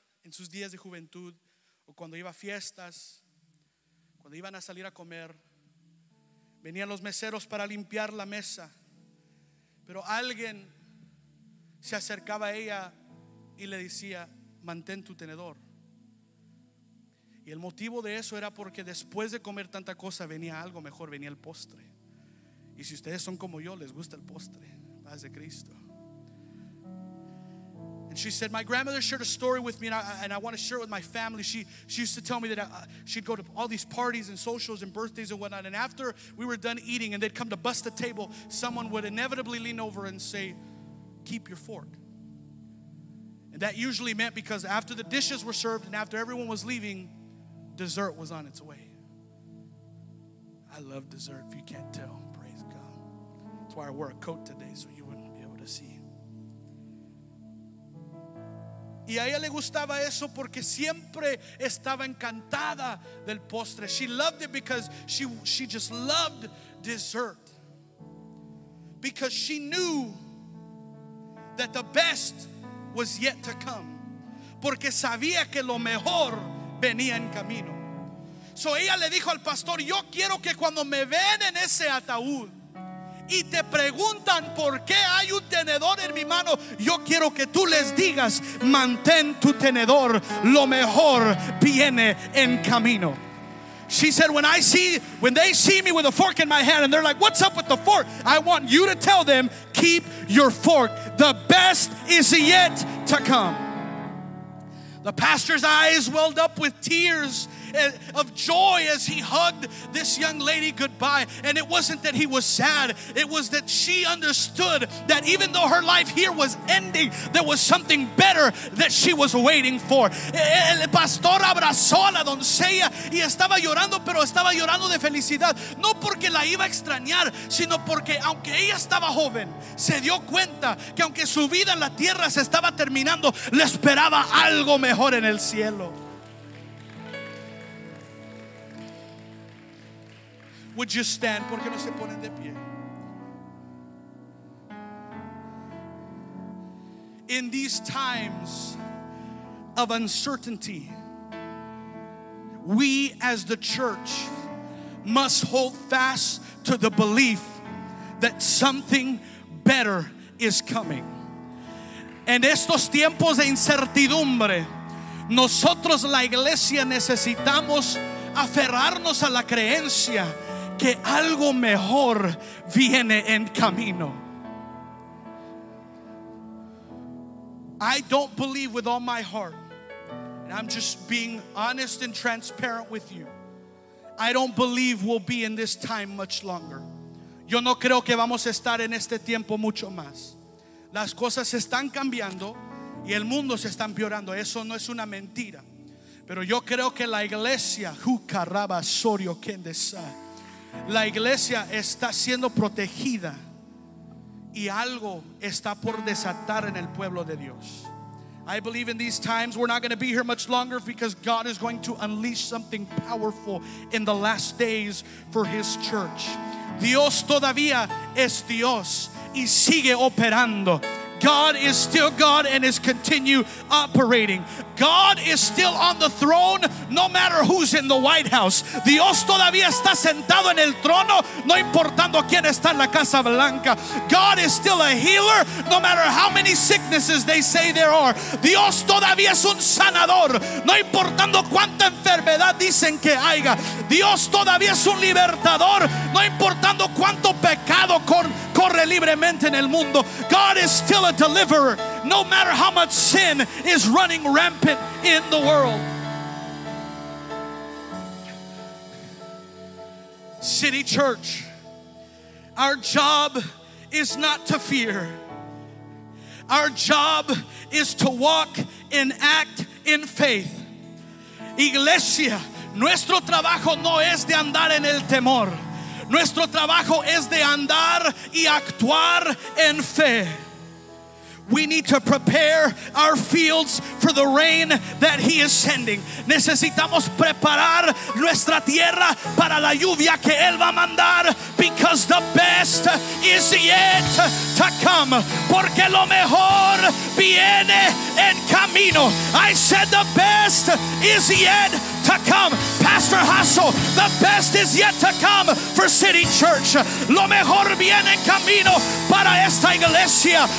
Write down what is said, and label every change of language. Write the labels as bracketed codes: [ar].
[es] en sus días de juventud, o cuando iba a fiestas, cuando iban a salir a comer, venían los meseros para limpiar la mesa, pero alguien se acercaba a ella y le decía: mantén tu tenedor. Y el motivo de eso era porque después de comer tanta cosa venía algo mejor, venía el postre. Y si ustedes son como yo, les gusta el postre, paz de Cristo. [en] And she said, my grandmother shared a story with me, and I want to share it with my family. She used to tell me that she'd go to all these parties and socials and birthdays and whatnot. And after we were done eating and they'd come to bust the table, someone would inevitably lean over and say, keep your fork. And that usually meant, because after the dishes were served and after everyone was leaving, dessert was on its way. I love dessert, if you can't tell. Praise God. That's why I wore a coat today, so you wouldn't be able to see. [es] Y a ella le gustaba eso porque siempre estaba encantada del postre. [en] She loved it because she just loved dessert. Because she knew that the best was yet to come. [es] Porque sabía que lo mejor venía en camino. So ella le dijo al pastor: yo quiero que cuando me ven en ese ataúd y te preguntan por qué hay un tenedor en mi mano, yo quiero que tú les digas: mantén tu tenedor, lo mejor viene en camino. [en] She said, when they see me with a fork in my hand and they're like, what's up with the fork? I want you to tell them, keep your fork. The best is yet to come. The pastor's eyes welled up with tears of joy as he hugged this young lady goodbye. And it wasn't that he was sad. It was that she understood that even though her life here was ending, there was something better that she was waiting for. [es] El pastor abrazó a la doncella y estaba llorando, pero estaba llorando de felicidad. No porque la iba a extrañar, sino porque aunque ella estaba joven, se dio cuenta que aunque su vida en la tierra se estaba terminando, le esperaba algo mejor en el cielo. [en] Would you stand? [es] ¿Por qué no se ponen de pie? [en] In these times of uncertainty, we as the church must hold fast to the belief that something better is coming. [es] En estos tiempos de incertidumbre, nosotros la iglesia necesitamos aferrarnos a la creencia que algo mejor viene en camino. [en] I don't believe with all my heart, and I'm just being honest and transparent with you, I don't believe we'll be in this time much longer. [es] Yo no creo que vamos a estar en este tiempo mucho más. Las cosas se están cambiando y el mundo se está empeorando. Eso no es una mentira. Pero yo creo que la iglesia, Jucaraba Sorio Kendesa, la iglesia está siendo protegida y algo está por desatar en el pueblo de Dios. [en] I believe in these times we're not going to be here much longer, because God is going to unleash something powerful in the last days for His church. [es] Dios todavía es Dios y sigue operando. [en] God is still God and is continue operating. God is still on the throne, no matter who's in the White House. [es] Dios todavía está sentado en el trono, no importando quién está en la Casa Blanca. [en] God is still a healer, no matter how many sicknesses they say there are. [es] Dios todavía es un sanador, no importando cuánta enfermedad dicen que haya. Dios todavía es un libertador, no importando cuánto pecado corre libremente en el mundo. [en] God is still a deliverer, no matter how much sin is running rampant in the world. City Church, our job is not to fear. Our job is to walk and act in faith. [es] Iglesia, nuestro trabajo no es de andar en el temor. Nuestro trabajo es de andar y actuar en fe. [en] We need to prepare our fields for the rain that He is sending. [es] Necesitamos preparar nuestra tierra para la lluvia que Él va a mandar, [en] because the best is yet to come. [es] Porque lo mejor viene en camino. [en] I said the best is yet to come. Pastor Hassel, the best is yet to come for City Church. [es] Lo mejor viene en camino para esta iglesia.